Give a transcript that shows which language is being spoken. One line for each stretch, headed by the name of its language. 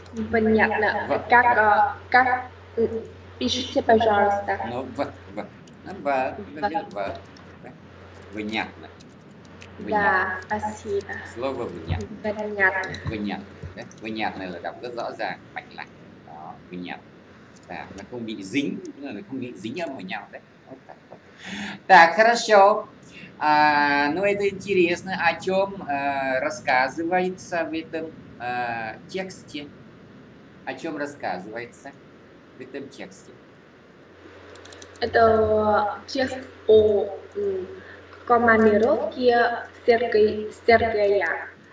Russian: Понятно, вот. Как, пишите, пожалуйста. Ну, вот, вот, ну, вот, вот, вот, да, понятно. Да, спасибо. Слово понятно. Понятно. Понятно, да, понятно, да, все
Vietnamese: rõ ràng,
Russian: понятно, понятно.
Vietnamese: Так, nó không bị dính, nó không bị dính âm vào nhau, đấy.
Russian: Так, хорошо. А, ну, это интересно, о чем рассказывается в этом тексте? О чем рассказывается в этом тексте? Это текст о командировке Сергея.